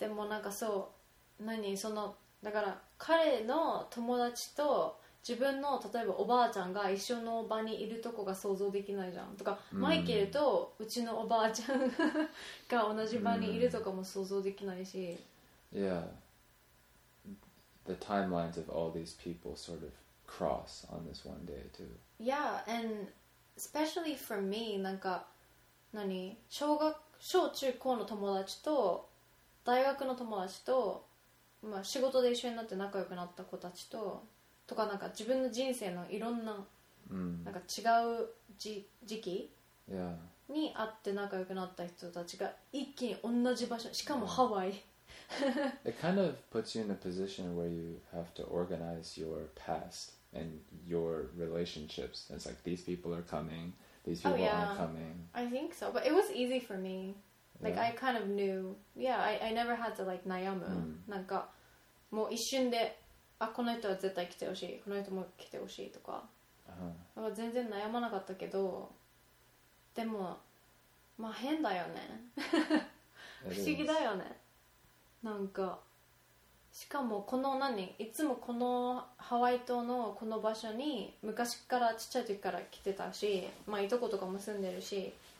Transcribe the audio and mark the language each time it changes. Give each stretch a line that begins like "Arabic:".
Japanese: でもなんかそう、何そのだから彼の友達と自分の例えばおばあちゃんが一緒の場にいるとこが想像できないじゃんとか、mm. マイケルとうちのおばあちゃんが同じ場にいるとかも想像できないし。
English: Yeah. The timelines of all these people sort of cross on this one day too. Yeah, and especially for me,
Japanese: なんか何小中高の友達と大学の友達と、まあ、仕事で一緒になって仲良くなった子たちととかなんか自分の人生のいろんな、 mm. なんか違う時期、
English: yeah.
Japanese: に会って仲良くなった人たちが一気に同じ場所しかもハワイ、
English: yeah. It kind of puts you in a position where you have to organize your past and your relationships. It's like these people are coming, these people、oh, yeah. aren't coming. I think so, but it was easy for meLike,、yeah. I kind of knew. Yeah, I never had to, like,
Japanese: 悩む、
English: mm.
Japanese: なんか、もう一瞬で、あ、この人は絶対来てほしい、この人も来てほしいとか。 Uh-huh. だから全然悩まなかったけど、でも、まあ変だよね。不思議だよね。なんか、しかもこの何、いつもこのハワイ島のこの場所に、昔からちっちゃい時から来てたし、まあいとことかも住んでるし、